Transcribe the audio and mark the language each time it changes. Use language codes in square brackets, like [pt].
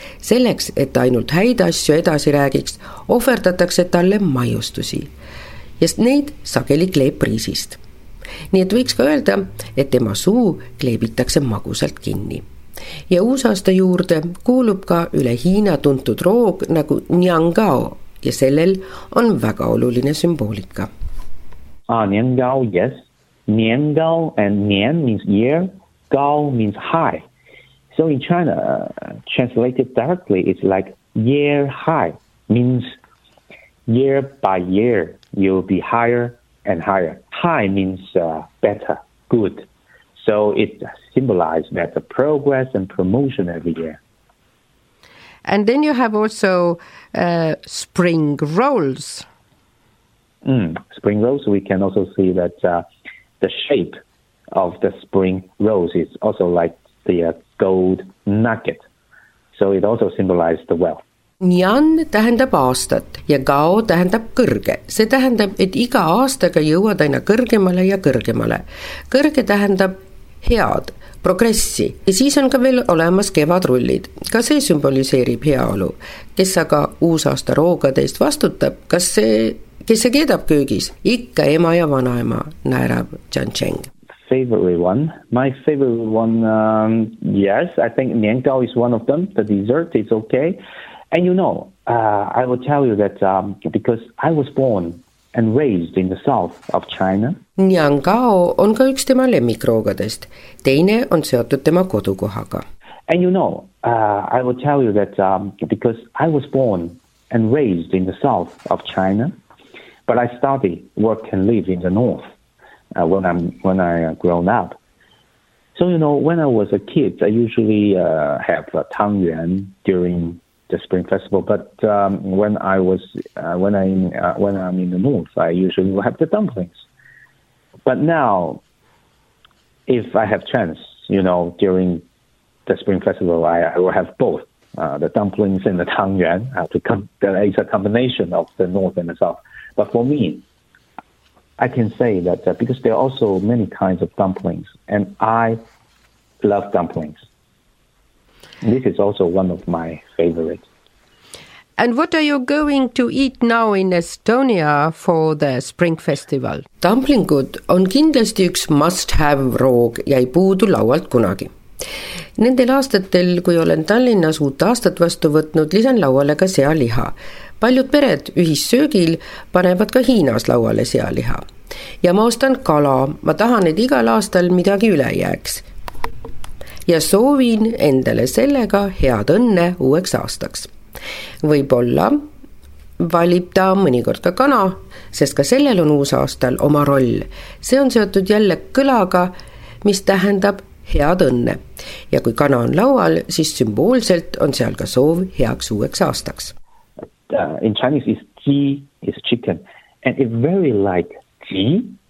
[et] Selleks, et ainult häid asju edasi räägiks, ohverdatakse talle majustusi, ja neid sageli kleepriisist. Nii et võiks ka öelda, et tema suu kleebitakse magusalt kinni. Ja uusaasta juurde kuulub ka üle Hiina tuntud roog nagu Niangao ja sellel on väga oluline sümboolika. [en] Niangao, yes. Niangao and Nian means year, Gao means high. So in China, translated directly, it's like year high means year by year you'll be higher and higher. High means better, good. So it symbolized that the progress and promotion every year. And then you have also spring rolls. Mm, spring rolls. We can also see that the shape of the spring rolls is also like the gold nugget. So it also symbolizes the wealth. [et] Nian tähendab aastat ja Gao tähendab kõrge. See tähendab, et iga aastaga jõuad aina kõrgemale ja kõrgemale. Kõrge tähendab head, progressi. Ja siis on ka veel olemas kevadrullid. Ka see sümboliseerib heaolu. Kes aga uusaasta roogadeist vastutab, kas see, kes see keedab köögis? Ikka ema ja vanaema, naerab Chan Cheng. [en] Favorite one? My favorite one, yes, I think Nian Gao is one of them. The dessert is okay. And you know, I will tell you that because I was born and raised in the south of China. [et] Nian Gao on ka üks tema lemmikroogadest. Teine on seotud tema kodukohaga. [en] And you know, I will tell you that because I was born and raised in the south of China, but I study, work and live in the north when I grown up. So you know, when I was a kid, I usually have a tang yuan during the spring festival, but when I'm in the north, I usually will have the dumplings. But now, if I have chance, you know, during the spring festival, I will have both the dumplings and the tang yuan. It's a combination of the north and the south. But for me, I can say that because there are also many kinds of dumplings, and I love dumplings. This is also one of my favorites. And what are you going to eat now in Estonia for the spring festival? [et] Dumplingud on kindlasti üks must-have roog ja ei puudu laualt kunagi. Nendel aastatel, kui olen Tallinnas uut aastat vastu võtnud, lisan lauale ka sealiha. Paljud pered ühissöögil panevad ka Hiinas lauale sealiha. Ja ma ostan kala, ma tahan, et igal aastal midagi üle jääks. Ja soovin endale sellega head õnne uueks aastaks. Võibolla valib ta mõnikord ka kana, sest ka sellel on uus aastal oma roll. See on seotud jälle kõlaga, mis tähendab head õnne. Ja kui kana on laual, siis sümboolselt on seal ka soov heaks uueks aastaks. [en] In Chinese is ji, is chicken. And it very like ji.